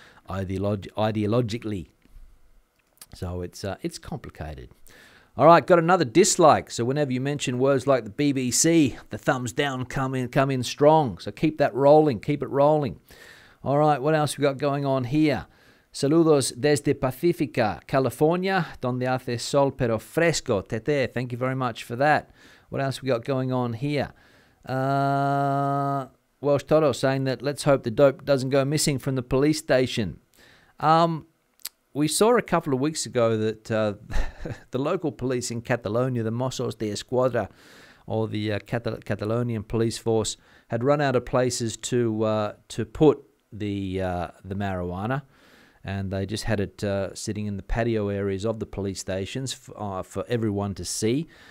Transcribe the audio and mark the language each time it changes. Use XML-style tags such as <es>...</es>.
<en>ideologically. So it's complicated. All right, got another dislike. So whenever you mention words like the BBC, the thumbs down come in strong. So keep that rolling, keep it rolling. All right, what else we got going on here?</en> <es>Saludos desde Pacifica, California, donde hace sol pero fresco.</es> <en>Tete, thank you very much for that. What else we got going on here? Welsh Toto saying that let's hope the dope doesn't go missing from the police station. We saw a couple of weeks ago that the local police in Catalonia, the Mossos de Esquadra, or the Catalonian police force, had run out of places to put the marijuana, and they just had it sitting in the patio areas of the police stations for everyone to see.</en>